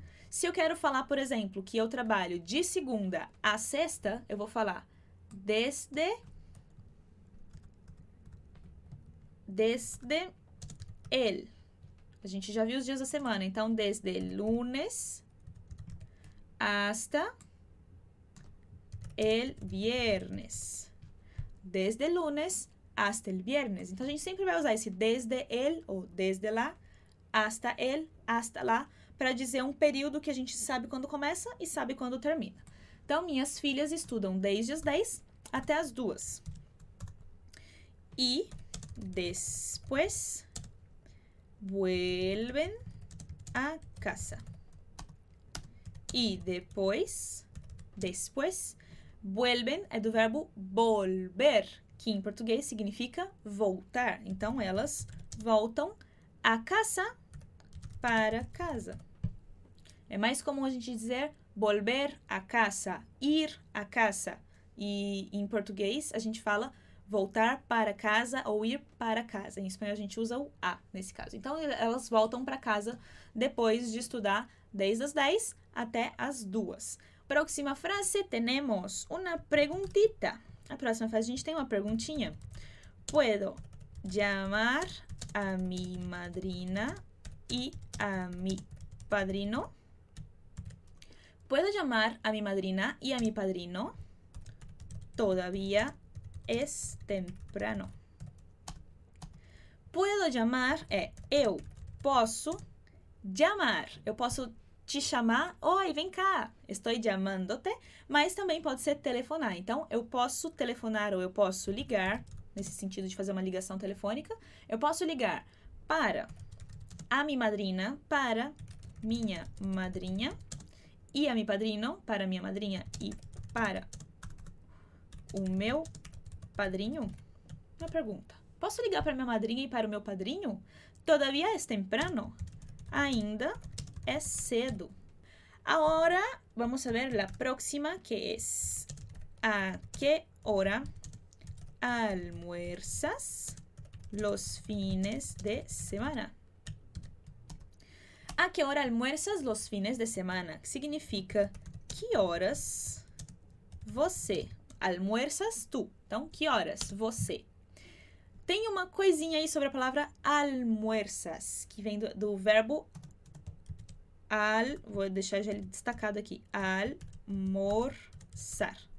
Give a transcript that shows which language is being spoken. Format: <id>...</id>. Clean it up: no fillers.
<pt>Se eu quero falar, por exemplo, que eu trabalho de segunda a sexta, eu vou falar</pt> <es>desde el.</es> <pt>A gente já viu os dias da semana, então</pt> <es>desde lunes hasta el viernes. Desde lunes hasta el viernes.</es> <pt>Então a gente sempre vai usar esse desde el ou desde la, hasta el, hasta la, para dizer um período que a gente sabe quando começa e sabe quando termina. Então minhas filhas estudam desde as 10 até as 2.</pt> <es>E después vuelven a casa.</es> <pt>E depois, vuelven é do verbo volver, que em português significa voltar. Então, elas voltam a casa para casa. É mais comum a gente dizer</pt> <es>volver a casa, ir a casa.</es> <pt>E em português, a gente fala voltar para casa ou ir para casa. Em espanhol, a gente usa o a nesse caso. Então, elas voltam para casa depois de estudar desde as 10 até as 2.</pt> <es>Próxima frase, tenemos una preguntita.</es> <pt>A próxima frase, a gente tem uma perguntinha.</pt> <es>Puedo llamar a mi madrina y a mi padrino? Puedo llamar a mi madrina y a mi padrino? Todavía es temprano.</es> <pt>Puedo llamar é eu posso llamar. Eu posso te chamar, oi, vem cá, estou chamando-te, mas também pode ser telefonar. Então, eu posso telefonar ou eu posso ligar, nesse sentido de fazer uma ligação telefônica, eu posso ligar para a minha madrina, para minha madrinha, e a meu padrinho, para minha madrinha e para o meu padrinho? Uma pergunta. Posso ligar para minha madrinha e para o meu padrinho?</pt> <es>Todavía es temprano?</es> <pt>Ainda é cedo.</pt> <es>Ahora vamos a ver la próxima, que es ¿a qué hora almuerzas los fines de semana? A que hora almuerzas los fines de semana?</es> <pt>Significa que horas você</pt> <es>almuerzas tu.</es> <pt>Então, que horas você? Tem uma coisinha aí sobre a palavra almuerzas, que vem do verbo al. Vou deixar ele destacado aqui. Almorçar.</pt>